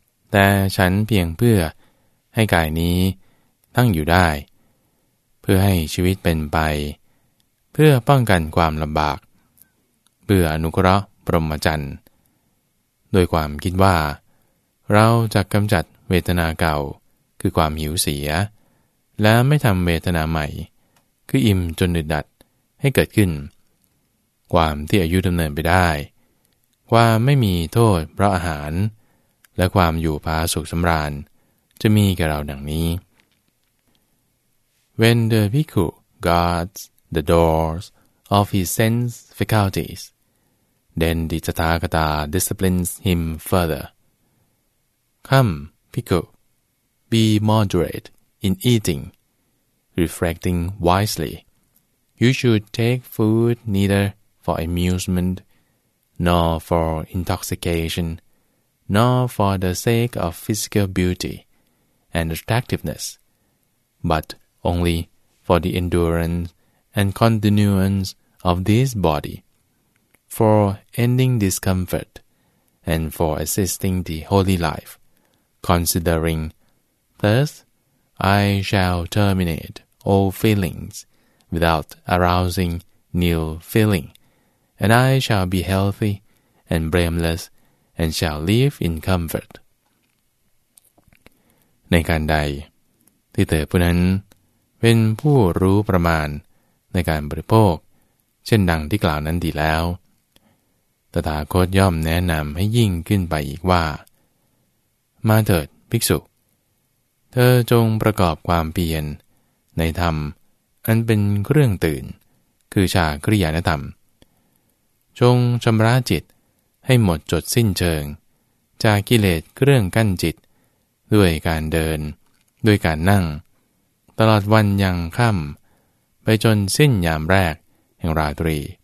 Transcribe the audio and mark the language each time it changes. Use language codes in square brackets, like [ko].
[th] แต่ฉันเพียงเพื่อให้กายนี้ตั้งอยู่ได้เพื่อให้ชีวิตเป็นไปเพื่อป้องกันความลำบากเพื่ออนุเคราะห์พรหมจรรย์โดยความคิดว่าเราจะกำจัดเวทนาเก่าคือความหิวเสียและไม่ทำเวทนาใหม่คืออิ่มจนอึดดัดให้เกิดขึ้น ความที่อายุดำเนินไปได้ความไม่มีโทษเพราะอาหารและความอยู่ผาสุขสำราญจะมีแก่เราดังนี้ [en] When the bhikkhu guards the doors of his sense faculties, then the Tathagata disciplines him further. Come, bhikkhu, be moderate in eating, reflecting wisely. You should take food neither for amusement nor for intoxication,nor for the sake of physical beauty and attractiveness, but only for the endurance and continuance of this body, for ending discomfort, and for assisting the holy life, considering, thus I shall terminate all feelings without arousing new feeling, and I shall be healthy and blamelessand shall live in comfort. [th] ในการใดที่เธอผู้นั้นเป็นผู้รู้ประมาณในการบริโภคเช่นดังที่กล่าวนั้นดีแล้วตถาคตย่อมแนะนำให้ยิ่งขึ้นไปอีกว่า มาเถิดภิกษุเธอจงประกอบความเพียรในธรรมอันเป็นเครื่องตื่นคือชาคริยานธรรมจงชำระจิตให้หมดจดสิ้นเชิงจากกิเลสเครื่องกั้นจิตด้วยการเดินด้วยการนั่งตลอดวันยังค่ำไปจนสิ้นยามแรกแห่งราตรี